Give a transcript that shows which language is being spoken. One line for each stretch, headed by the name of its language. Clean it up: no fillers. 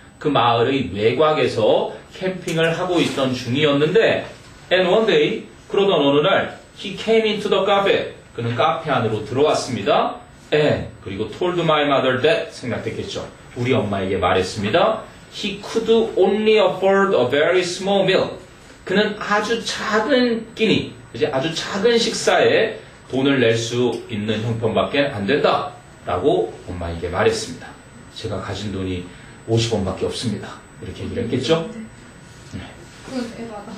Korean: 그 마을의 외곽에서 캠핑을 하고 있던 중이었는데
English: and one day,
Korean: 그러던 어느 날 he came into the cafe. 그는 카페 안으로 들어왔습니다.
English: and
Korean: 그리고
English: told my mother that
Korean: 생각했겠죠. 우리 엄마에게 말했습니다.
English: he could only afford a very small meal.
Korean: 그는 아주 작은 끼니 이제 아주 작은 식사에 돈을 낼 수 있는 형편밖에 안 된다 라고 엄마에게 말했습니다. 제가 가진 돈이 50원밖에 없습니다. 이렇게 얘기를 했겠죠? 네. 네.